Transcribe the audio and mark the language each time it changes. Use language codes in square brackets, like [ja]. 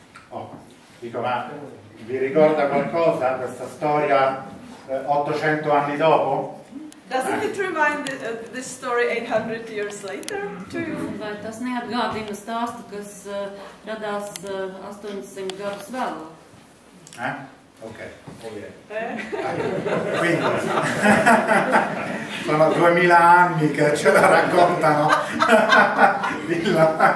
[it] Oh, dico, ma vi ricorda qualcosa questa storia 800 anni dopo? [en] Doesn't it remind this story 800 years later to you? [lv] Vai tas neatgādina stāstu, kas radās 800 gadus vēl? [it] Quindi sono 2000 anni che ce la raccontano. Dillo.